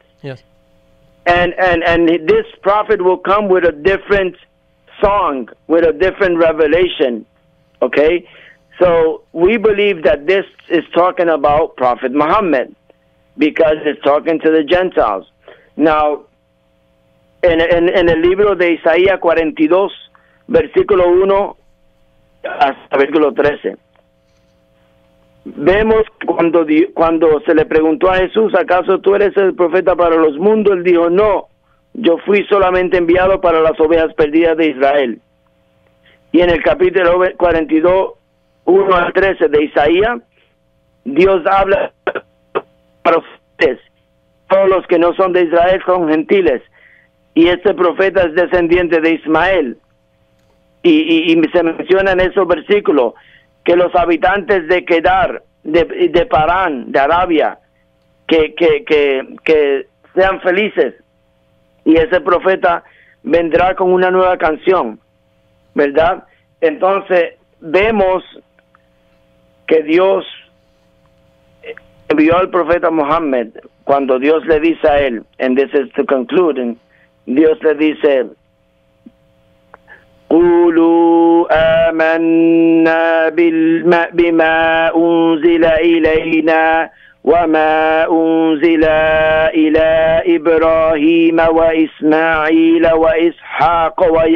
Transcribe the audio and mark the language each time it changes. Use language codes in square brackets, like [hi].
[en] Yes. And this prophet will come with a different song, with a different revelation, okay? So we believe that this is talking about Prophet Muhammad because it's talking to the Gentiles. Now, in [es] el libro de Isaías 42, versículo 1, hasta versículo 13. Vemos cuando se le preguntó a Jesús, ¿acaso tú eres el profeta para los mundos? Él dijo, no, yo fui solamente enviado para las ovejas perdidas de Israel. Y en el capítulo 42, 1 al 13 de Isaías, Dios habla para ustedes, todos los que no son de Israel son gentiles, y este profeta es descendiente de Ismael. Y se menciona en esos versículos que los habitantes de Kedar, de Parán, de Arabia, que sean felices. Y ese profeta vendrá con una nueva canción, ¿verdad? Entonces vemos que Dios envió al profeta Muhammad cuando Dios le dice a él, [en] and this is to conclude, [es] Dios le dice, [ar] قولوا آمنا بما أنزل إلينا وما أنزل إلى إبراهيم وإسماعيل وإسحاق